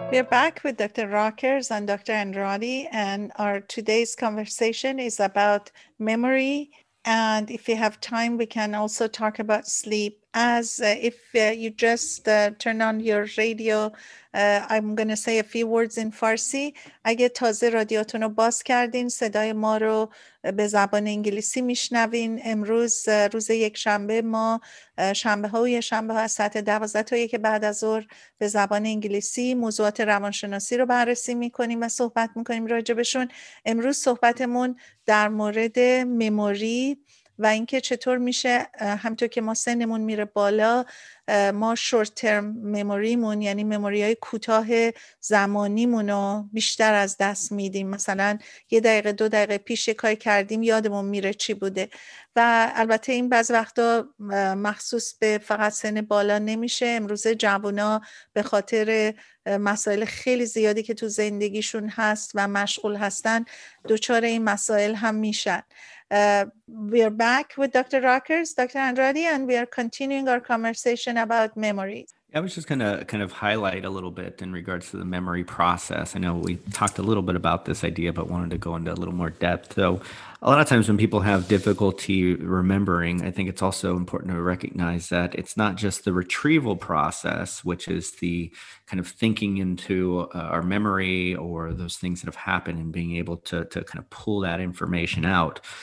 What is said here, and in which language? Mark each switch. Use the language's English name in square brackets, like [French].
[English] Back with Dr. Rockers and Dr. Andrade, and our today's conversation is about memory, and if you have time we can also talk about sleep. As if you just turn on your radio, I'm going to say a few words in Farsi. [Persian] اگه تازه رادیوتون رو باز کردین صدای ما رو به زبان انگلیسی میشنوین. امروز روز یک شنبه، ما شنبه ها و یه شنبه ها از ساعت 12 تا 1 بعد از ظهر به زبان انگلیسی موضوعات روانشناسی رو بررسی میکنیم و صحبت میکنیم راجبشون. امروز صحبتمون در مورد مموری و اینکه چطور میشه همطور که ما سنمون میره بالا، ما شورت ترم مموریمون یعنی مموری های کوتاه زمانیمون رو بیشتر از دست میدیم. مثلا یه دقیقه دو دقیقه پیش یک کار کردیم یادمون میره چی بوده، و البته این بعض وقتا مخصوص به فقط سن بالا نمیشه. امروز جوانا به خاطر مسائل خیلی زیادی که تو زندگیشون هست و مشغول هستن دوچار این مسائل هم میشن. [English] We are back with Dr. Rockers, Dr. Andrade, and we are continuing our conversation about memories. I was just going to kind of highlight a little bit in regards to the memory process. I know we talked a little bit about this idea, but wanted to go into a little more depth. So a lot of times when people have difficulty remembering, I think it's also important to recognize that it's not just the retrieval process, which is the kind of thinking into our memory or those things that have happened and being able to kind of pull that information out,